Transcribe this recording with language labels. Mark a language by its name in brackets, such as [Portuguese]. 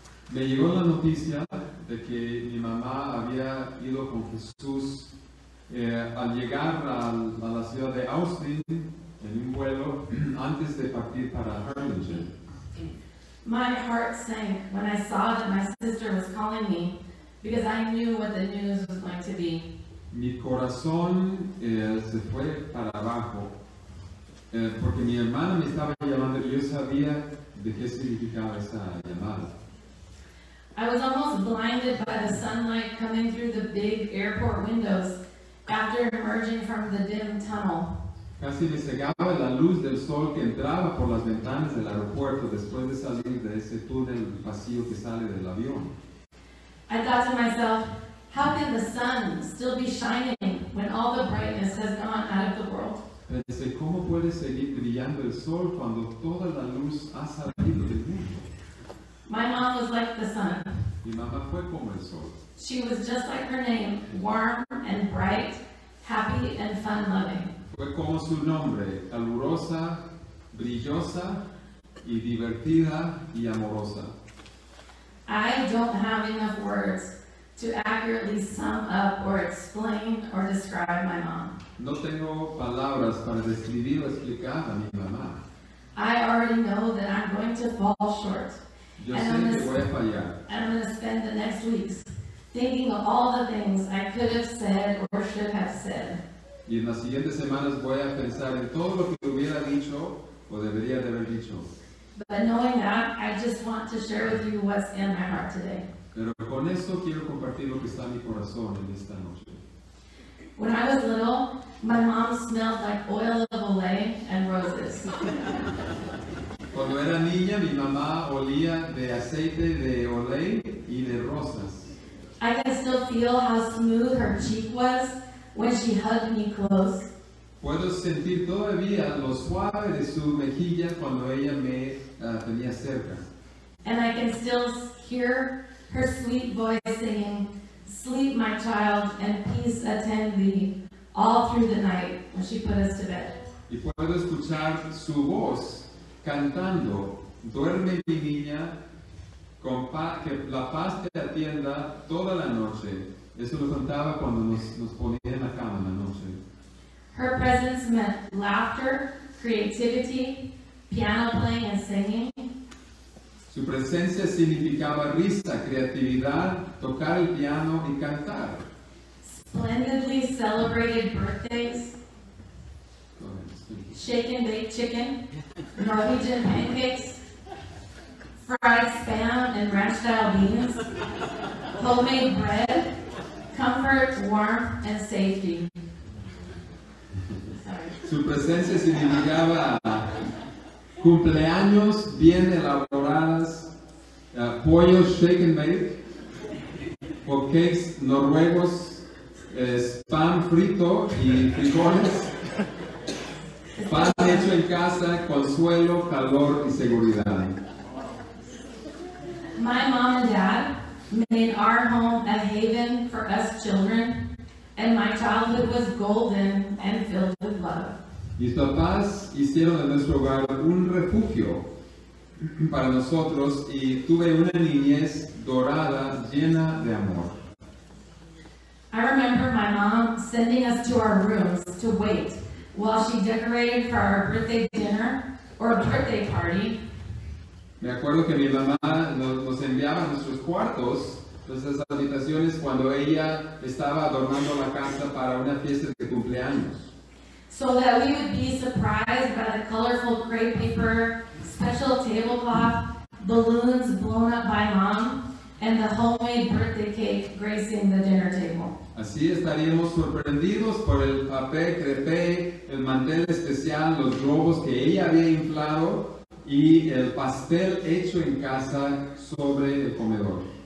[Spanish] Me llegó la noticia de que mi mamá había ido con Jesús al llegar a la ciudad de Austin en un vuelo antes de partir para Harlingen. [English] My heart sank when I saw that my sister was calling me because I knew what the news was going to be. [Spanish] Mi corazón se fue para abajo porque mi hermana me estaba llamando y yo sabía de qué significaba esa llamada. [English] I was almost blinded by the sunlight coming through the big airport windows after emerging from the dim tunnel. [Spanish] Casi me cegaba la luz del sol que entraba por las ventanas del aeropuerto después de salir de ese túnel vacío que sale del avión. [English] I thought to myself, how can the sun still be shining when all the brightness has gone out of the world? [Spanish] Pensé, ¿cómo puede seguir brillando el sol cuando toda la luz ha salido del mundo? [English] My mom was like the sun. [Spanish] Mi mamá fue como el sol. [English] She was just like her name, warm and bright, happy and fun-loving. [Spanish] Fue como su nombre, calurosa, brillosa, y divertida y amorosa. [English] I don't have enough words to accurately sum up or explain or describe my mom. [Spanish] No tengo palabras para describir o explicar a mi mamá. [English] I already know that I'm going to fall short. And I'm going to spend the next weeks thinking of all the things I could have said or should have said. [Spanish] Y en las siguientes semanas voy a pensar en todo lo que hubiera dicho o debería de haber dicho. [English] But knowing that, I just want to share with you what's in my heart today. [Spanish] Pero con esto quiero compartir lo que está en mi corazón en esta noche. [English] When I was little, my mom smelled like oil of olay and roses. [Spanish] Cuando era niña, mi mamá olía de aceite de olay y de rosas. [English] I can still feel how smooth her cheek was when she hugged me close. [Spanish] Puedo sentir todavía lo suave de su mejilla cuando ella me tenía cerca. [English] And I can still hear her sweet voice singing, "Sleep, my child, and peace attend thee," all through the night when she put us to bed. [Spanish] Y puedo escuchar su voz cantando, duerme mi niña, que la paz te atienda toda la noche. Eso lo cantaba cuando nos ponía en la cama en la noche. [English] Her presence meant laughter, creativity, piano playing and singing. [Spanish] Su presencia significaba risa, creatividad, tocar el piano y cantar. [English] Splendidly celebrated birthdays. Shaken baked chicken, Norwegian pancakes, fried spam and ranch style beans, homemade bread, comfort, warmth, and safety. [Spanish] Su presencia significaba cumpleaños bien elaboradas, pollo shaken baked, hotcakes noruegos, spam frito y frijoles. Paz hecho en casa, consuelo, calor y seguridad. [English] My mom and dad made our home a haven for us children, and my childhood was golden and filled with love. [Spanish] Mis papás hicieron de nuestro hogar un refugio para nosotros, y tuve una niñez dorada, llena de amor. [English] I remember my mom sending us to our rooms to wait while she decorated for our birthday dinner or a birthday party. [Spanish] Me acuerdo que mi mamá nos enviaba a nuestros cuartos, nuestras habitaciones, cuando ella estaba adornando la casa para una fiesta de cumpleaños. [English] So that we would be surprised by the colorful crepe paper, special tablecloth, balloons blown up by mom, and the homemade birthday cake gracing the dinner table. [Spanish] Así estaríamos sorprendidos por el papel crepe, el mantel especial, los globos que ella había inflado, y el pastel hecho en casa sobre el comedor.